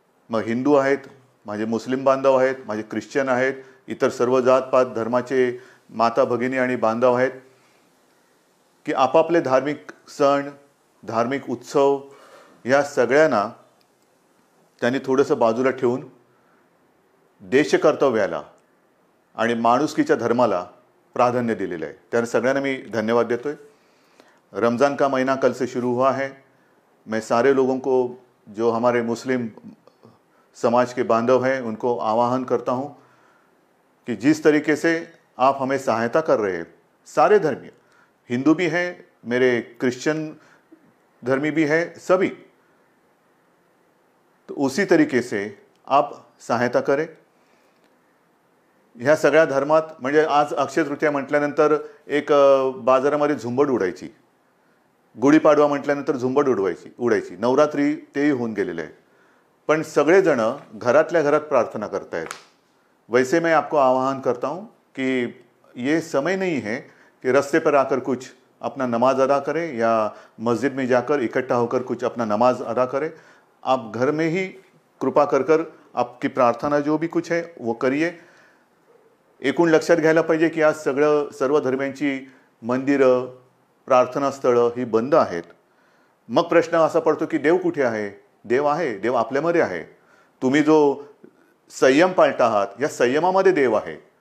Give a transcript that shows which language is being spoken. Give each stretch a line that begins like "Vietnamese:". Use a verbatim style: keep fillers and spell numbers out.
Marathi: मग हिंदू आहेत, माझे मुस्लिम बांधव आहेत, माझे ख्रिश्चन आहेत, इतर सर्व जातपात धर्माचे माता भगिनी आणि बांधव आहेत की आपापले धार्मिक सण, धार्मिक उत्सव या सगळ्यांना त्यांनी थोडंसं बाजूला ठेवून देशकर्तव्याला आणि माणुसकीच्या धर्माला प्राधान्य दिलेलं आहे. त्यानं सगळ्यांना मी धन्यवाद देतो आहे.
Hindi: रमज़ान का महीना कल से शुरू हुआ है. मैं सारे लोगों को, जो हमारे मुस्लिम समाज के बांधव हैं, उनको आह्वान करता हूँ कि जिस तरीके से आप हमें सहायता कर रहे हैं, सारे धर्मीय, हिंदू भी हैं, मेरे क्रिश्चियन धर्मी भी हैं, सभी, तो उसी तरीके से आप सहायता करें.
Marathi: ह्या सगळ्या धर्मात म्हणजे आज अक्षय तृतीया म्हटल्यानंतर एक अ, बाजारामध्ये झुंबड उडायची, गुढीपाडवा म्हटल्यानंतर झुंबड उडवायची उडायची नवरात्री तेही होऊन गेलेलं आहे. पण सगळेजण घरातल्या घरात प्रार्थना करतायत.
Hindi: वैसे मैं आपको आह्वान करता हूँ कि ये समय नहीं है कि रस्ते पर आकर कुछ अपना नमाज अदा करें या मस्जिद में जाकर इकट्ठा होकर कुछ अपना नमाज अदा करें. आप घर में ही कृपा कर कर आपकी प्रार्थना जो भी कुछ है वो करिए.
Marathi: एकूण लक्षात घ्यायला पाहिजे की आज सगळं सर्व धर्मांची मंदिरं, प्रार्थनास्थळं ही बंद आहेत. मग प्रश्न असा पडतो की देव कुठे आहे. देव आहे, देव आपल्यामध्ये आहे. तुम्ही जो संयम पाळत आहात या संयमामध्ये देव आहे.